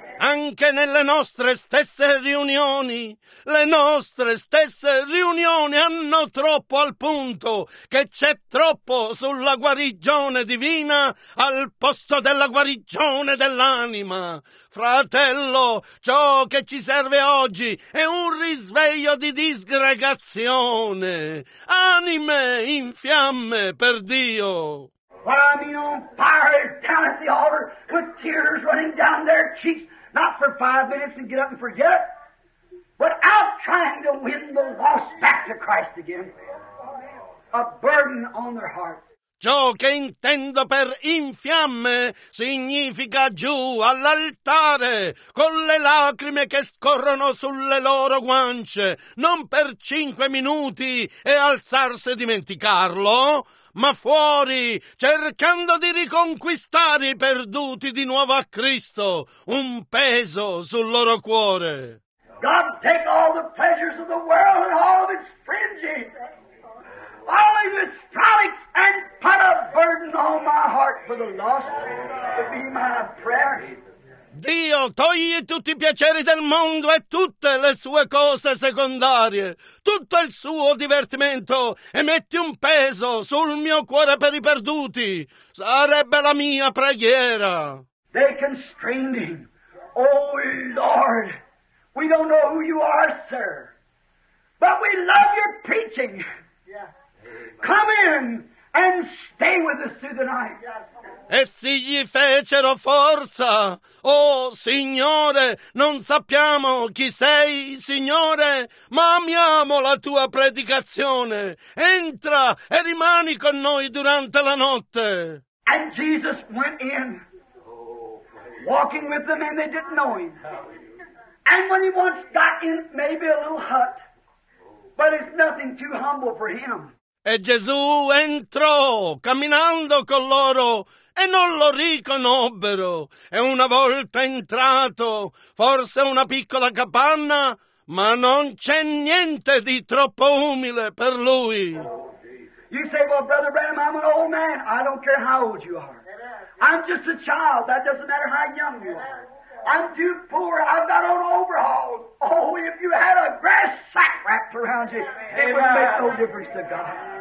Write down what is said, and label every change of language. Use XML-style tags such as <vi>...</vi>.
<it>Anche nelle nostre stesse riunioni, le nostre stesse riunioni hanno troppo al punto che c'è troppo sulla guarigione divina al posto della guarigione dell'anima. Fratello, ciò che ci serve oggi è un risveglio di disgregazione. Anime in fiamme per Dio.</it> <en>What I mean on fire down at the altar with tears running down their cheeks. Not for 5 minutes and get up and forget it, but out trying to win the lost back to Christ again. A burden on their heart.</en> <it>Ciò che intendo per in fiamme significa giù all'altare, con le lacrime che scorrono sulle loro guance, non per 5 minuti e alzarsi e dimenticarlo, ma fuori, cercando di riconquistare i perduti di nuovo a Cristo, un peso sul loro cuore.</it> <en>God take all the pleasures of the world and all of its fringes, all of its frolics, and put a burden. the lost to be my prayer?</en> <it>Dio, togli tutti i piaceri del mondo e tutte le sue cose secondarie, tutto il suo divertimento, e metti un peso sul mio cuore per i perduti. Sarebbe la mia preghiera.</it> <en>They constrained him. Oh, Lord, we don't know who you are, sir, but we love your preaching. Come in and stay with us through the night.</en> <it>Essi gli fecero forza. Oh, Signore, non sappiamo chi sei, Signore, ma amiamo la tua predicazione. Entra e rimani con noi durante la notte.</it> <en>And Jesus went in, walking with them, and they didn't know him. And when he once got in, maybe a little hut, but it's nothing too humble for him.</en> <it>E Gesù entrò camminando con loro e non lo riconobbero. E una volta entrato, forse una piccola capanna, ma non c'è niente di troppo umile per lui.</it> <en>You say, well, Brother Branham, I'm an old man. I don't care how old you are. I'm just a child. That doesn't matter how young you are. I'm too poor. I've got on overhauls. Oh, if you had a grass sack wrapped around you, it would make no difference to God.</en>